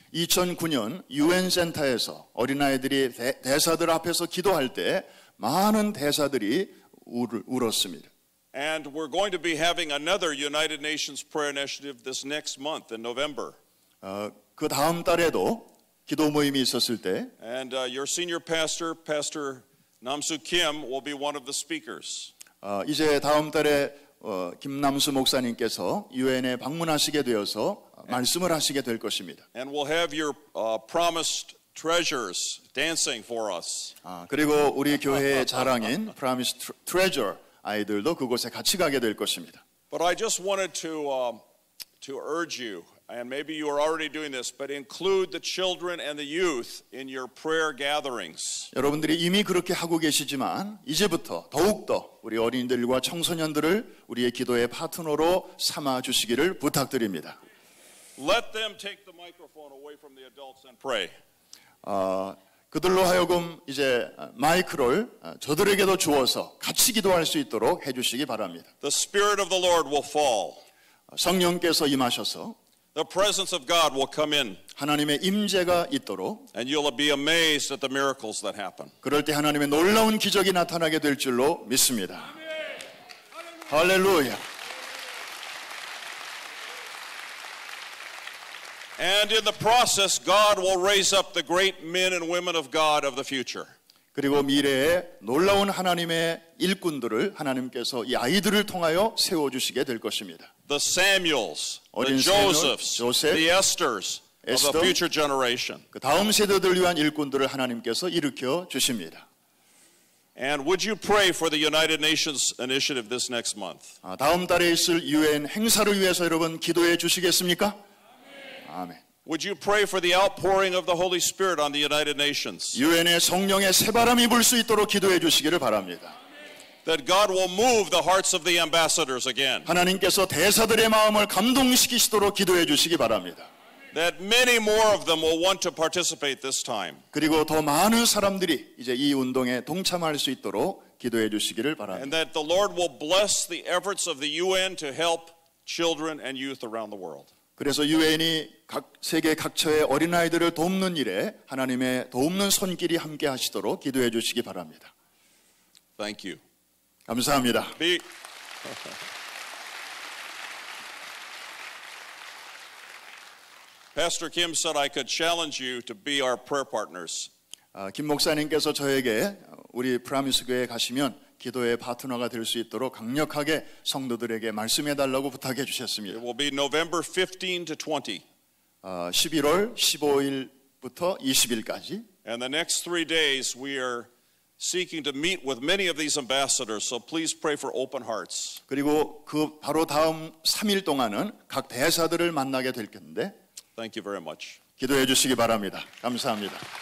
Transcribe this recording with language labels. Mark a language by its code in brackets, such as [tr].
[ko] 2009년 UN 센터에서 어린아이들이 대사들 앞에서 기도할 때 많은 대사들이 울었습니다. [en] And we're going to be having another United Nations prayer initiative this next month in November. [ko] 그 다음 달에도 기도 모임이 있었을 때. [en] And your senior pastor, Pastor. Namsoo Kim will be one of the speakers. [ko] 이제 다음 달에 김남수 목사님께서 UN에 방문하시게 되어서 말씀을 하시게 될 것입니다. [en] And we'll have your promised treasures dancing for us. [ko] 그리고 우리 교회의 자랑인 promised treasure 아이들도 그곳에 같이 가게 될 것입니다. [en] But I just wanted to urge you, and maybe you are already doing this, but include the children and the youth in your prayer gatherings. [ko] 여러분들이 이미 그렇게 하고 계시지만 이제부터 더욱더 우리 어린이들과 청소년들을 우리의 기도의 파트너로 삼아 주시기를 부탁드립니다. [en] Let them take the microphone away from the adults and pray. [ko] 그들로 하여금 이제 마이크를 저들에게도 주어서 같이 기도할 수 있도록 해 주시기 바랍니다. [en] The Spirit of the Lord will fall. [ko] 성령께서 임하셔서 [en] The presence of God will come in. [ko] 하나님의 임재가 있도록. [en] And you'll be amazed at the miracles that happen. [ko] 그럴 때 하나님의 놀라운 기적이 나타나게 될 줄로 믿습니다. 할렐루야. [en] And in the process, God will raise up the great men and women of God of the future. [ko] 그리고 미래에 놀라운 하나님의 일꾼들을 하나님께서 이 아이들을 통하여 세워 주시게 될 것입니다. [en] The Samuels, the Josephs, the Esthers of the future generation. [ko] 그 다음 세대들 위한 일꾼들을 하나님께서 일으켜 주십니다. [en] And would you pray for the United Nations initiative this next month? [ko] 다음 달에 있을 UN 행사를 위해서 여러분 기도해 주시겠습니까? 아멘. [en] Would you pray for the outpouring of the Holy Spirit on the United Nations? [ko] UN의 성령의 새바람이 불 수 있도록 기도해 주시기를 바랍니다. [en] That God will move the hearts of the ambassadors again. [ko] 하나님께서 대사들의 마음을 감동시키시도록 기도해 주시기 바랍니다. [en] That many more of them will want to participate this time. [ko] 그리고 더 많은 사람들이 이제 이 운동에 동참할 수 있도록 기도해 주시기를 바랍니다. [en] And that the Lord will bless the efforts of the UN to help children and youth around the world. [ko] 그래서 UN이 각 세계 각처의 어린아이들을 돕는 일에 하나님의 돕는 손길이 함께 하시도록 기도해 주시기 바랍니다. [en] Thank you. [ko] 감사합니다. [en] Pastor Kim said I could challenge you to be our prayer partners. [ko] 김 목사님께서 저에게 우리 프라미스 교회에 가시면 기도의 파트너가 될 수 있도록 강력하게 성도들에게 말씀해 달라고 부탁해 주셨습니다. [en] It will be November 15 to 20. [ko] 11월 15일부터 20일까지. [en] And the next three days we are seeking to meet with many of these ambassadors, so please pray for open hearts. [ko] 그리고 그 바로 다음 3일 동안은 각 대사들을 만나게 될 텐데. [en] Thank you very much. [ko] 기도해 주시기 바랍니다. 감사합니다.